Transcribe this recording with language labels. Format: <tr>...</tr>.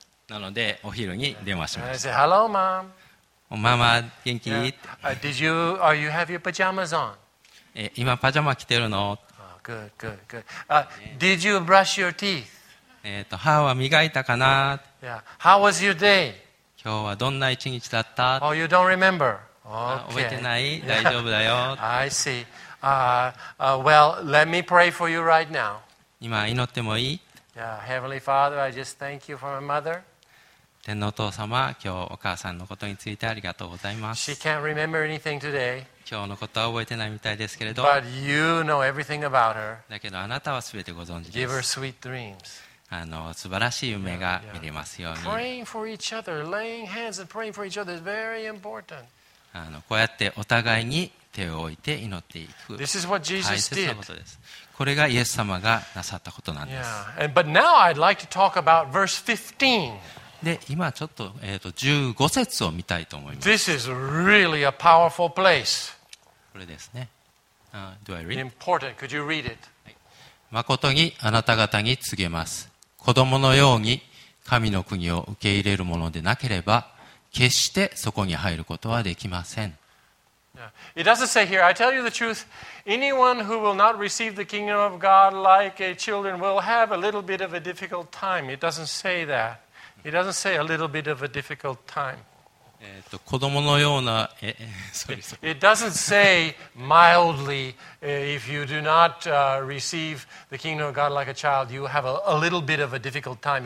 <ja>なのでお昼に電話しました。</ja> <en>And I said, "Hello, mom."</en> <ja>ママ元気？</ja> <en>Yeah. Did you have your pajamas on?</en> <ja>今パジャマ着てるの？</ja> <en>Good. Did you brush your teeth?</en> <ja>歯は磨いたかな？</ja> <en>Yeah. How was your day?</en> <ja>今日はどんな一日だった</ja> <en>？ Oh, you don't remember. Okay.</en> <ja>覚えてない？大丈夫だよ。</ja> <en>I see. Well, let me pray for you right now.</en> <ja>今祈ってもいい？</ja> <en>Yeah. Heavenly Father, I just thank you for my mother.</en> <ja>天のお父様、今日お母さんのことについてありがとうございます。</ja> <en>She can't remember anything today.</en> <ja>今日のことは覚えてないみたいですけれど。</ja> <en>But you know everything about her.</en> <ja>だけどあなたはすべてご存知です。</ja> <en>Give her sweet dreams.</en> <ja>素晴らしい夢が見れますように。</ja> <en>Yeah, yeah. Praying for each other, laying hands and praying for each other is very important.</en> <ja>こうやってお互いに手を置いて祈っていく。</ja> <en>This is what Jesus did.</en> <ja>大切なことです。これがイエス様がなさったことなんです。</ja> <en>Yeah. And, but now I'd like to talk about verse 15.</en> <ja>で今ちょっ と,、15節を見たいと思います。</ja> <en>This is really a powerful place.</en> <ja>これですね。</ja> <en>Do I read? Important. Could you read it?</en> <ja>誠にあなた方に告げます。子供のように神の国を受け入れるものでなければ、決してそこに入ることはできません。</ja> <en>Yeah. It doesn't say here, I tell you the truth, anyone who will not receive the kingdom of God like a children will have a little bit of a difficult time. It doesn't say that. It doesn't say a little bit of a difficult time.</en> <ja>子供のような、</ja> <en>It doesn't say mildly, if you do not receive the kingdom of God like a child, you have a little bit of a difficult time.</en>